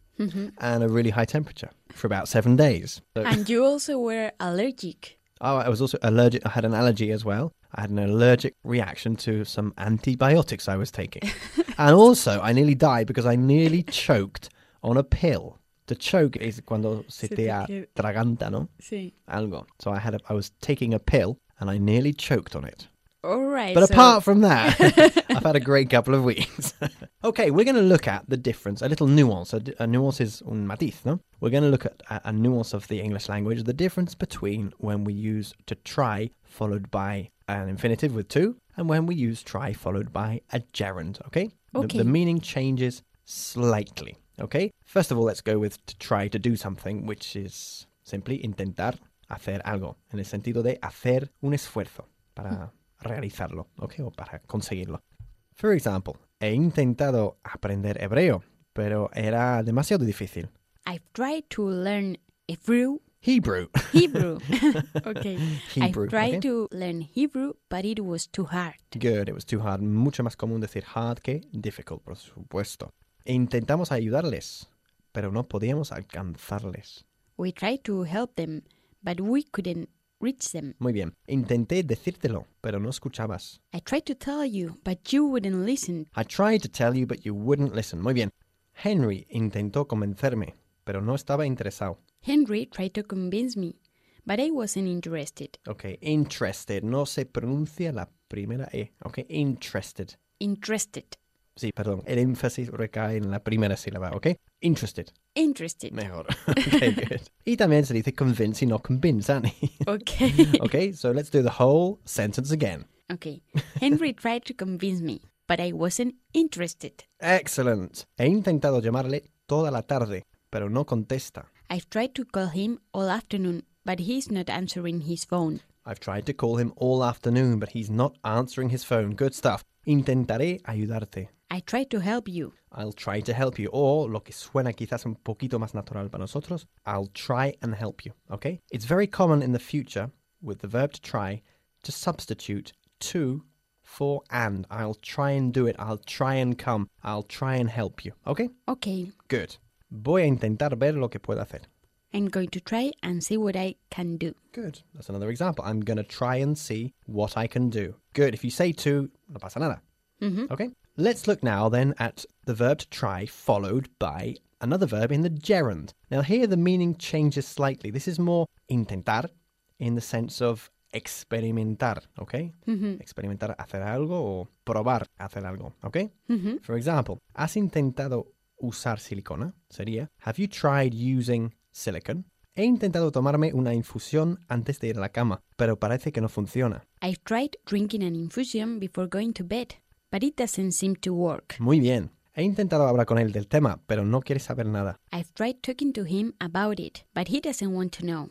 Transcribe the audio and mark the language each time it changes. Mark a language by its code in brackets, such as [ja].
[en] And a really high temperature for about 7 days. So... and you also were allergic. Oh, I was also allergic. I had an allergy as well. I had an allergic reaction to some antibiotics I was taking. And also, I nearly died because I nearly choked on a pill. To choke is [es] cuando se te atraganta, ¿no? Sí. Algo. [en] So I was taking a pill and I nearly choked on it. All right. But so... apart from that, I've had a great couple of weeks. Okay, we're going to look at the difference, a little nuance. A nuance is [es] un matiz, ¿no? [en] We're going to look at a nuance of the English language, the difference between when we use to try followed by an infinitive with to and when we use try followed by a gerund, okay? Okay. The meaning changes slightly, okay? First of all, let's go with to try to do something, which is simply [es] intentar hacer algo, en el sentido de hacer un esfuerzo para realizarlo, okay, o para conseguirlo. [en] For example, [es] he intentado aprender hebreo, pero era demasiado difícil. [en] I've tried to learn Hebrew. Hebrew. Hebrew. Okay. Hebrew. I tried okay. to learn Hebrew, but it was too hard. Good. It was too hard. [es] Mucho más común decir hard que difficult, por supuesto. Intentamos ayudarles, pero no podíamos alcanzarles. [en] We tried to help them, but we couldn't reach them. [es] Muy bien. Intenté decírtelo, pero no escuchabas. [en] I tried to tell you, but you wouldn't listen. I tried to tell you, but you wouldn't listen. [es] Muy bien. Henry intentó convencerme, pero no estaba interesado. [en] Henry tried to convince me, but I wasn't interested. [es] Okay, interested. No se pronuncia la primera E. [en] Okay, interested. Interested. [es] Sí, perdón. El énfasis recae en la primera sílaba, okay? Interested. [en] Interested. [es] Mejor. [en] Okay, good. [es] Y también se dice convince y no convince, Annie. [en] Okay. Okay, so let's do the whole sentence again. Okay. Henry tried to convince me, but I wasn't interested. Excellent. [es] He intentado llamarle toda la tarde, pero no contesta. [en] I've tried to call him all afternoon, but he's not answering his phone. I've tried to call him all afternoon, but he's not answering his phone. Good stuff. [es] Intentaré ayudarte. [en] I try to help you. I'll try to help you. Or, [es] lo que suena quizás un poquito más natural para nosotros, [en] I'll try and help you. Okay? It's very common in the future with the verb to try to substitute to for and. I'll try and do it. I'll try and come. I'll try and help you. Okay? Okay. Good. [es] Voy a intentar ver lo que puedo hacer. [en] I'm going to try and see what I can do. Good. That's another example. I'm going to try and see what I can do. Good. If you say to, [es] no pasa nada. [en] Okay? Let's look now then at the verb to try followed by another verb in the gerund. Now here the meaning changes slightly. This is more intentar in the sense of experimentar, okay? [es] Experimentar, hacer algo o probar hacer algo, okay? [en] For example, [es] has intentado usar silicona, sería, [en] have you tried using silicon? [es] He intentado tomarme una infusión antes de ir a la cama, pero parece que no funciona. [en] I've tried drinking an infusion before going to bed, but it doesn't seem to work. [es] Muy bien. He intentado hablar con él del tema, pero no quiere saber nada. [en] I've tried talking to him about it, but he doesn't want to know.